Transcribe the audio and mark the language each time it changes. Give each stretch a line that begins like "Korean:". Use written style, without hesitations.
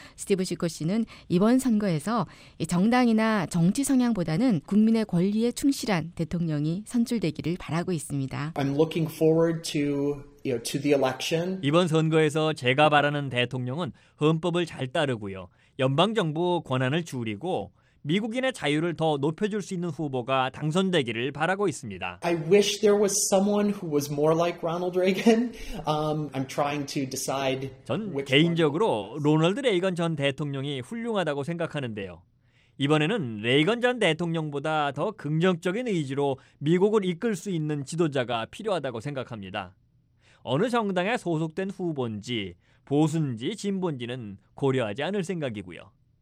Korean: 스티브 시코 씨는 이번 선거에서 정당이나 정치 성향보다는 국민의 권리에 충실한 대통령이 선출되기를 바라고 있습니다.
English: I'm looking forward to the election.
Korean: 이번 선거에서 제가 바라는 대통령은 헌법을 잘 따르고요. 연방정부 권한을 줄이고 미국인의 자유를 더 높여줄 수 있는 후보가 당선되기를 바라고 있습니다.
English: I wish there was someone who was more like Ronald Reagan. I'm trying to decide.
Korean: 전 개인적으로 로널드 레이건 전 대통령이 훌륭하다고 생각하는데요. 이번에는 레이건 전 대통령보다 더 긍정적인 의지로 미국을 이끌 수 있는 지도자가 필요하다고 생각합니다. 어느 정당에 소속된 후보인지 보수인지 진보인지는 고려하지 않을 생각이고요.